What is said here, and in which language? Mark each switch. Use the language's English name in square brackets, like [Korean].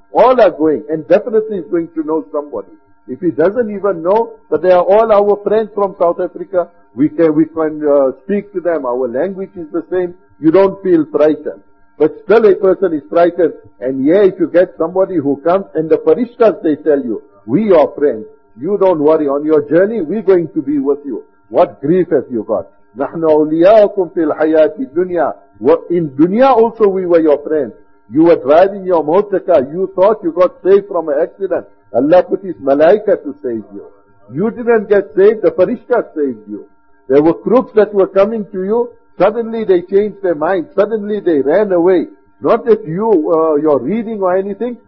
[English] All are going, and definitely is going to know somebody. If he doesn't even know, but they are all our friends from South Africa, we can speak to them, our language is the same, you don't feel frightened. But still a person is frightened, and yeah, if you get somebody who comes, and the farishtas, they tell you, we are friends, you don't worry, on your journey, we're going to be with you. What grief have you got? [Arabic] نحن أولياؤكم في الحياة الدنيا. [English] In dunya also we were your friends. You were driving your motor car. You thought you got saved from an accident. Allah put His malaika to save you. You didn't get saved. The farishta saved you. There were crooks that were coming to you. Suddenly they changed their mind. Suddenly they ran away. Not that you, your reading or anything.